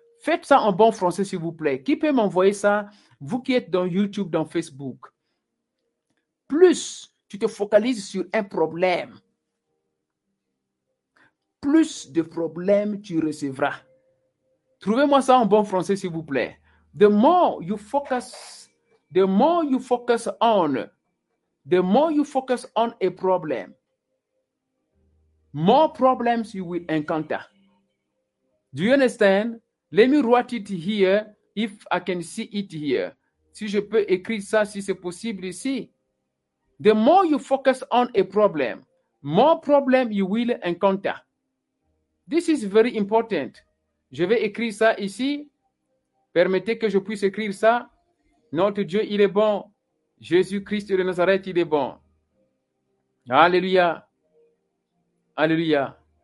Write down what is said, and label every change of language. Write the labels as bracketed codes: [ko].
[fr] Faites ça en bon français, s'il vous plaît. Qui peut m'envoyer ça, vous qui êtes dans YouTube, dans Facebook? Plus tu te focalises sur un problème, plus de problèmes tu recevras. Trouvez-moi ça en bon français, s'il vous plaît. [en] The more you focus on a problem, more problems you will encounter. Do you understand? Let me write it here if I can see it here. [fr] Si je peux écrire ça, si c'est possible ici. [en] The more you focus on a problem, more problems you will encounter. This is very important. [fr] Je vais écrire ça ici. Permettez que je puisse écrire ça. Notre Dieu, il est bon. Jésus-Christ de Nazareth, il est bon. Alléluia. Alléluia.